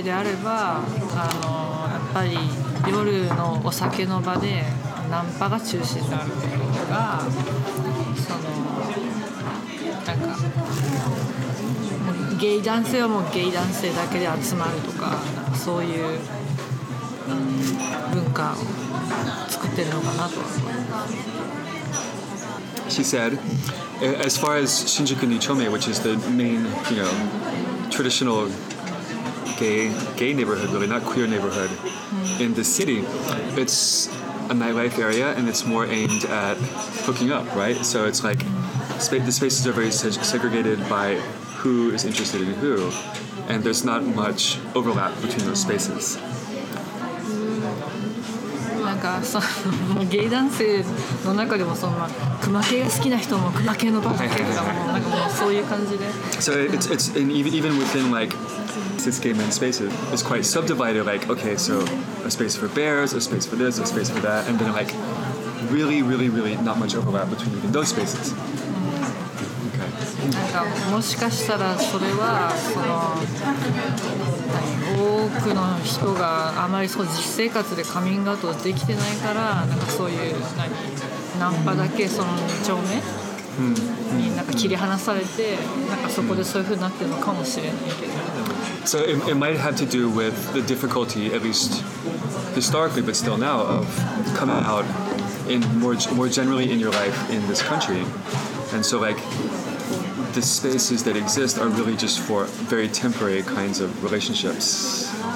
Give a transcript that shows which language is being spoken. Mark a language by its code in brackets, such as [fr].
[ja] やっぱり夜のお酒の場でナンパが中心であるということが、そのなんかゲイ男性はもうゲイ男性だけで集まるとか、そういう文化を作ってるのかなと。 [en] She said, as far as Shinjuku Nichome, which is the main, you know, traditional gay neighborhood, really not queer neighborhood. In the city, it's a nightlife area and it's more aimed at hooking up, right? So it's like the spaces are very segregated by who is interested in who, and there's not much overlap between those spaces. [ja] かそのゲイ男性の中でもそんな熊系が好きな人も熊系のバッグ系とかもなんかもうそういう感じで。 [en] So it's and even within like cis gay men's space, it's quite subdivided. Like, okay, so a space for bears, a space for this, a space for that, and then like really, really, really not much overlap between even those spaces. [ja] もしかしたらそれはその多くの人があまりそう実生活でカミングアウトできてないからなんかそういう何ナンパだけその2丁目になんか切り離されてなんかそこでそういう風になってるのかもしれないけど [en] So it might have to do with the difficulty at least historically but still now of coming out in more generally in your life in this country and so likeThe spaces that exist are really just for very temporary kinds of relationships.